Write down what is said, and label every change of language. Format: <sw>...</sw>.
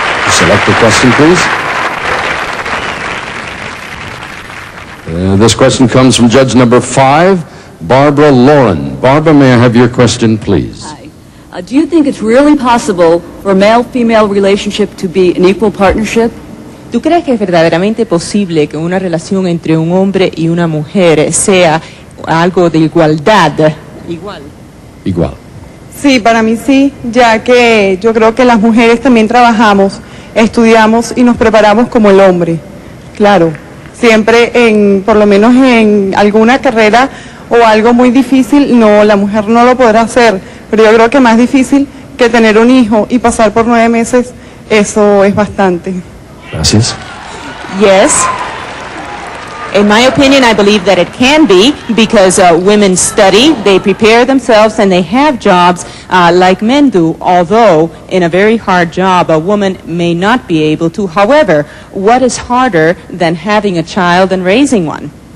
<en>Select the question, please. This question comes from judge number 5, Barbara Lauren. Barbara, may I have your question, please? Hi. Do you think it's really possible for a male-female relationship to be an equal partnership?</en> <es>¿Tú crees que es verdaderamente posible que una relación entre un hombre y una mujer sea algo de igualdad? Igual. Igual. Sí, para mí sí, ya que yo creo que las mujeres también trabajamos, estudiamos y nos preparamos como el hombre. Claro, siempre en, por lo menos en alguna carrera o algo muy difícil, no, la mujer no lo podrá hacer. Pero yo creo que más difícil que tener un hijo y pasar por 9 meses, eso es bastante. Gracias.</es> <en>Yes. In my opinion, I believe that it can be because women study, they prepare themselves, and they have jobs like men do, although in a very hard job, a woman may not be able to. However, what is harder than having a child and raising one?</en>